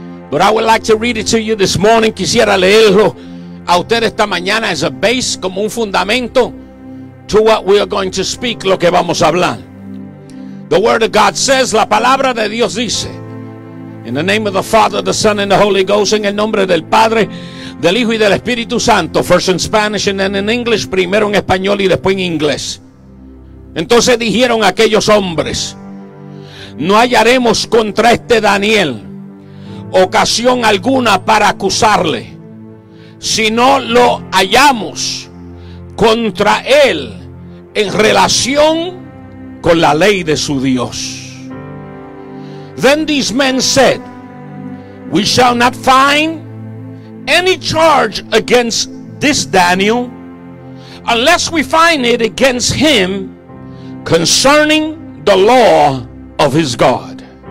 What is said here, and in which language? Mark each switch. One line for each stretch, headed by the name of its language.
English: But I would like to read it to you this morning.
Spanish: Quisiera leerlo a usted esta mañana
English: as a base,
Spanish: como un fundamento
English: to what we are going to speak,
Spanish: lo que vamos a hablar.
English: The word of God says,
Spanish: la palabra de Dios dice.
English: In the name of the Father, the Son, and the Holy Ghost.
Spanish: En el nombre del Padre, del Hijo y del Espíritu Santo.
English: First in Spanish and then in English.
Spanish: Primero en español y después en inglés. Entonces dijeron aquellos hombres, no hallaremos contra este Daniel ocasión alguna para acusarle, si no lo hallamos contra él en relación con la ley de su Dios.
English: Then these men said, we shall not find any charge against this Daniel unless we find it against him concerning the law of his God.